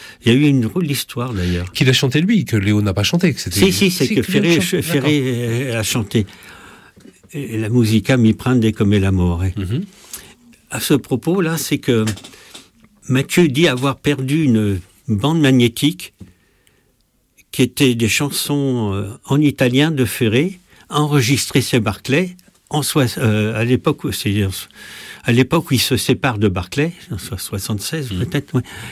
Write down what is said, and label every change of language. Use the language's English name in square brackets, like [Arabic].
[French] Il y a eu une drôle d'histoire d'ailleurs. Qu'il a chanté lui, que Léo n'a pas chanté. Que c'était... Ferré a chanté. [Italian] Et la musica mi prende come l'amore. Mm-hmm. [French] À ce propos, là, c'est que Mathieu dit avoir perdu une bande magnétique qui était des chansons en italien de Ferré, enregistrées chez Barclay, à l'époque où il se sépare de Barclay, en 76 peut-être. Ouais.